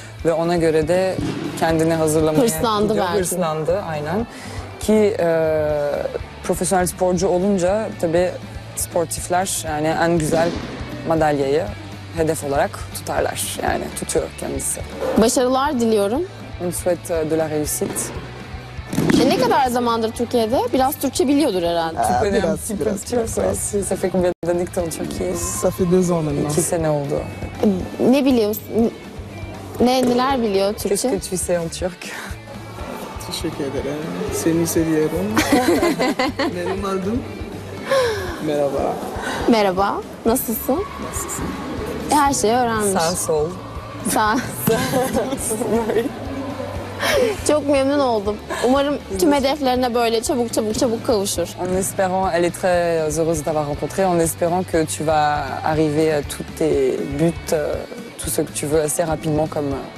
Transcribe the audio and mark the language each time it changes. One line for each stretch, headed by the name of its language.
Turkish: Ve ona göre de kendini hazırlamaya... Hırslandı belki. Hırslandı aynen. Ki profesyonel sporcu olunca tabii sportifler yani en güzel madalyayı hedef olarak tutarlar. Yani tutuyor kendisi. Başarılar diliyorum.
French: On souhaite de la réussite.
Turkish: Ne kadar zamandır Türkiye'de? Biraz Türkçe biliyordur herhalde. Biraz.
French: Ça fait combien d'années que tu es en Turquie? Ça fait 2 ans maintenant.
Turkish: 2 sene oldu. Ne biliyorsun? Neler biliyor Türkçe?
French: Qu'est-ce que tu sais en turc?
Turkish: Je Teşekkür ederim. Seni seviyorum. Memnun oldum. Merhaba. Merhaba. Nasılsın? Nasılsın? Her şeyi öğrenmiş. Sağ sol. Sağ. Çok memnun oldum. Umarım tüm hedeflerine böyle çabuk kavuşur.
French: En espérant, elle est très heureuse d'avoir rencontré, en espérant que tu vas arriver à tous tes buts, tout ce que tu veux assez rapidement comme.